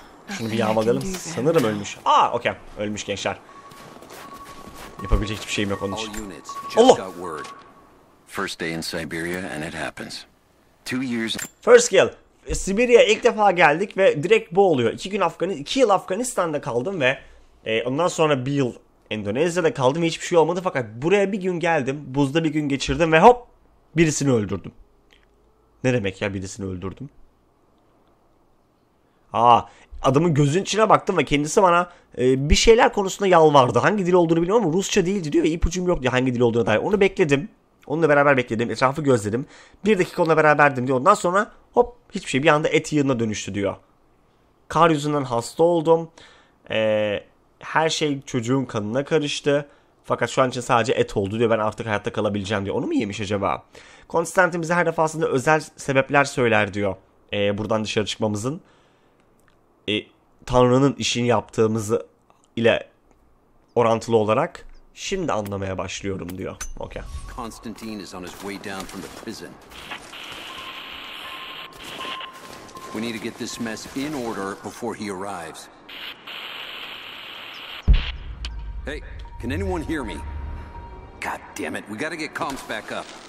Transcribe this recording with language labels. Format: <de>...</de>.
<tr>Şunu bir yağmalayalım. Sanırım ölmüş. Aa okey. Ölmüş gençler. Yapabilecek hiçbir şeyim yok onun için. Allah!</tr> <en>First day in Siberia and it happens. First kill.</en> <tr>Sibirya'ya ilk defa geldik ve direkt bu oluyor. 2 yıl Afganistan'da kaldım ve ondan sonra 1 yıl Endonezya'da kaldım ve hiçbir şey olmadı. Fakat buraya bir gün geldim. Buzda bir gün geçirdim ve hop! Birisini öldürdüm. Ne demek ya birisini öldürdüm? Aa! Adamın gözünün içine baktım ve kendisi bana bir şeyler konusunda yalvardı. Hangi dil olduğunu bilmiyorum ama Rusça değildi diyor ve ipucum yok diyor hangi dil olduğuna dair. Onu bekledim. Onunla beraber bekledim. Etrafı gözledim. Bir dakika onunla beraberdim diyor. Ondan sonra hop hiçbir şey. Bir anda et yığına dönüştü diyor. Kar yüzünden hasta oldum. Her şey çocuğun kanına karıştı. Fakat şu an için sadece et oldu diyor. Ben artık hayatta kalabileceğim diyor. Onu mu yemiş acaba? Konstantin bize her defasında özel sebepler söyler diyor. Buradan dışarı çıkmamızın. Tanrı'nın işini yaptığımızı ile orantılı olarak şimdi anlamaya başlıyorum diyor.</tr> <en>Okay. Constantine is on his way down from the prison. We need to get this mess in order before he arrives. Hey, can anyone hear me? God damn it. We got to get comms back up.</en>